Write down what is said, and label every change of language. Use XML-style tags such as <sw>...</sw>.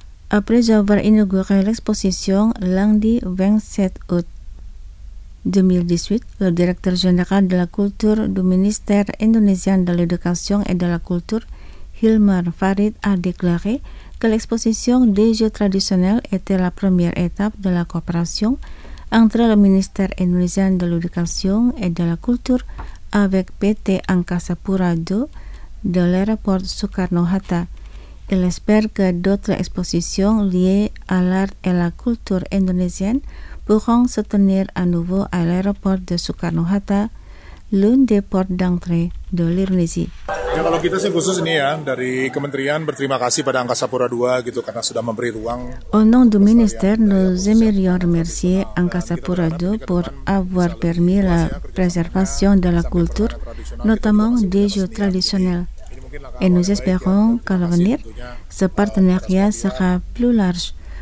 <fr>Après avoir inauguré l'exposition lundi 27 août 2018, le directeur général de la culture du ministère indonésien de l'éducation et de la culture, Hilmar Farid, a déclaré que l'exposition des jeux traditionnels était la première étape de la coopération entre le ministère indonésien de l'éducation et de la culture avec PT Angkasa Pura II de l'aéroport Soekarno-Hatta. Il espère que d'autres expositions liées à l'art et la culture indonésienne pourront se tenir à nouveau à l'aéroport de Soekarno-Hatta, l'une des portes d'entrée de l'Indonésie.</fr> <id>Ya, kalau kita sih khusus ini ya, dari kementerian berterima kasih pada Angkasa Pura II gitu, karena sudah memberi ruang.</id> <fr>Au nom du ministère, nous aimerions remercier Angkasa Pura II pour avoir permis la préservation de la culture, notamment des jeux traditionnels. Et nous espérons qu'à l'avenir, ce partenariat sera plus large.</fr>